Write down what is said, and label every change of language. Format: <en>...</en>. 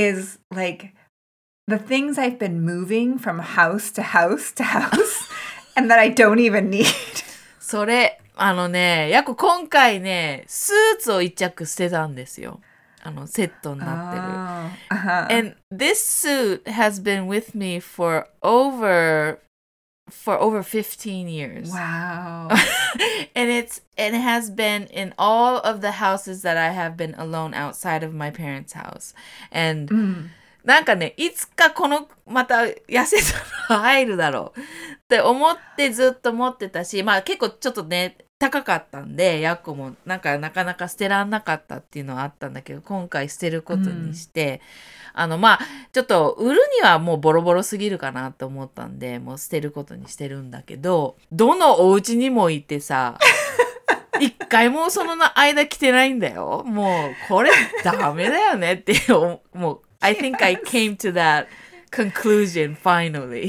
<en>is like the things I've been moving from house to house to house and that I don't even need.</en> <ja>それあのね、やっぱ今回ねスーツを一着捨てたんですよ。あのセットになってる。</ja> <en>And this suit has been with me for over 15 years. Wow. and it has been in all of the houses that I have been alone outside of my parents' house. And、 mm.</en> <ja>なんかね、いつかこのまた痩せたら入るだろうって思ってずっと持ってたし、まあ結構ちょっとね、高かったんで、ヤッコもなんかなかなか捨てらんなかったっていうのはあったんだけど、今回捨てることにして、うん、あの、まあ、ちょっと売るにはもうボロボロすぎるかなと思ったんで、もう捨てることにしてるんだけど、どのお家にも行ってさ、一回もその間着てないんだよ。もうこれダメだよねっていう、もう、</ja> <en>yes. I think I came to that conclusion finally.</en>